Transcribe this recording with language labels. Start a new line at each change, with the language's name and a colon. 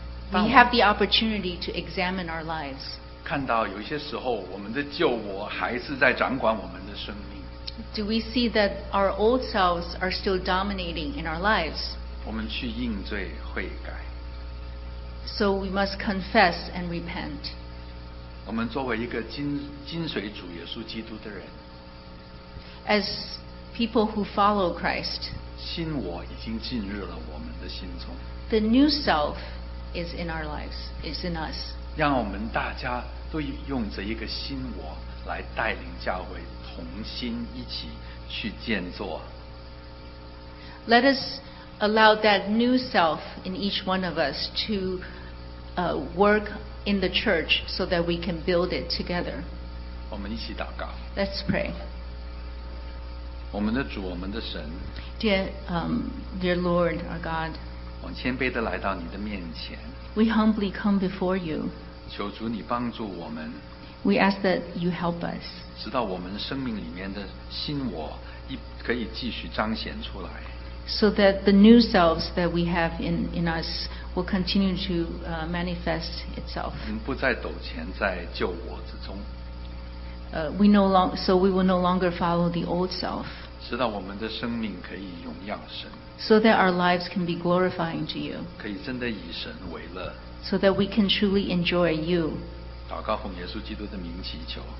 English: We have the opportunity to examine our lives.
Chinese: 看到有一些时候，我们的旧我还是在掌管我们的生命。
English: Do we see that our old selves are still dominating in our lives?
Chinese: 我们去认罪悔改。
English: So we must confess and repent.
Chinese: 我们作为一个跟随主耶稣基督的人。
English: As people who follow Christ.
Chinese: 新我已经进入了我们的心中。
English: The new self is in our lives. It's in us.
Chinese: 让我们大家都用着一个新我来带领教会。同心一起去建作。
English: Let us allow that new self in each one of us to work in the church so that we can build it together.
Chinese: 我们一起祷告。
English: Let's pray.
Chinese: 我们的主，我们的神。
English: Dear Lord, our God.
Chinese: 我谦卑地来到你的面前。
English: We humbly come before you.
Chinese: 求主你帮助我们。
English: We ask that you help us.
Chinese: 直到我们生命里面的新我可以继续彰显出来。
English: So that the new selves that we have in us will continue to manifest itself.
Chinese: 我们不再纠缠在旧我之中。
English: So we will no longer follow the old self.
Chinese: 直到我们的生命可以荣耀神。
English: So that our lives can be glorifying to you.
Chinese: 可以真的以神为乐。
English: So that we can truly enjoy you.
Chinese: 祷告奉耶稣基督的名祈求。